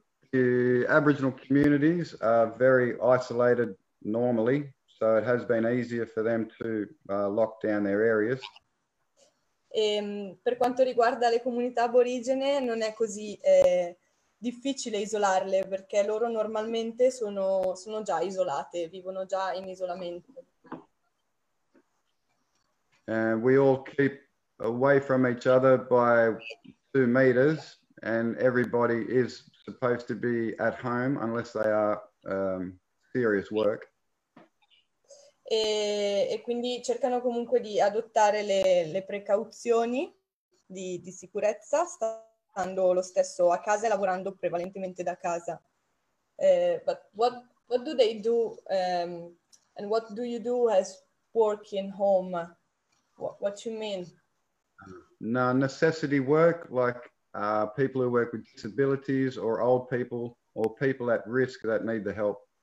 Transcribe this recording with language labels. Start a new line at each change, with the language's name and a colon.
English: The Aboriginal communities are very isolated normally, so it has been easier for them to lock down their areas.
Italian: Per quanto riguarda le comunità aborigene, non è così difficile isolarle, perché loro normalmente sono già isolate, vivono già in isolamento.
English: We all keep away from each other by 2 meters, and everybody is supposed to be at home unless they are serious work.
Italian: E quindi cercano comunque di adottare le precauzioni di sicurezza, stando lo stesso a casa e lavorando prevalentemente da casa.
English: But what do they do? And what do you do as working home? What you mean? No, necessity work, like people who work with disabilities or old people or people at risk that need the help.